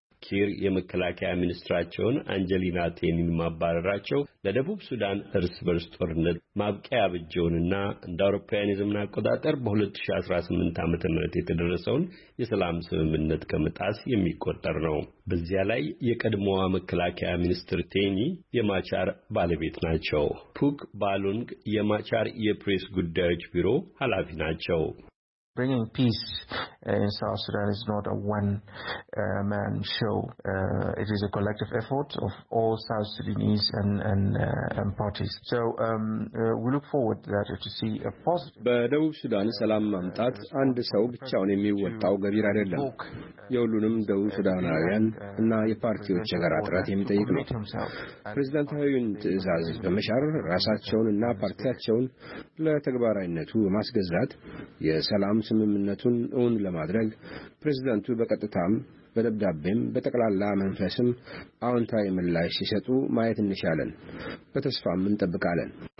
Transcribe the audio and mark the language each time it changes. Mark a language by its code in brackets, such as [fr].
[am] ኪር የመከላከያ ሚኒስትራቸውን አንጀሊና ቴኒን ማባረራቸው ለደቡብ ሱዳን እርስ በርስ ጦርነት ማብቂያ ብጆንና እንደ አውሮፓውያን አቆጣጠር በ2018 ዓመተ ምህረት የተደረሰውን የሰላም ስምምነት ከመጣስ የሚቆጠር ነው። በዚያ ላይ የቀድሞዋ መከላከያ ሚኒስትር ቴኒ የማቻር ባለቤት ናቸው። ፑክ ባሉንግ የማቻር የፕሬስ ጉዳዮች ቢሮ ኃላፊ ናቸው። [en] Bringing peace in South Sudan is not a one-man show. It is a collective effort of all South Sudanese and parties. So we look forward to see a positive... [am] በደቡብ ሱዳን ሰላም ማምጣት አንድ ሰው ብቻውን የሚወጣው ገቢር አይደለም። የሁሉንም ደቡብ ሱዳናውያን እና የፓርቲዎች የጋራ ጥረት የሚጠይቅ ነው። ፕሬዝዳንታዊውን ትዕዛዝ በመሻር ራሳቸውን እና ፓርቲያቸውን ለተግባራዊነቱ በማስገዛት የሰላም ስምምነቱን እውን ለማድረግ ፕሬዝዳንቱ በቀጥታም በደብዳቤም በጠቅላላ መንፈስም አዎንታዊ ምላሽ ሲሰጡ ማየት እንሻለን፣ በተስፋም እንጠብቃለን።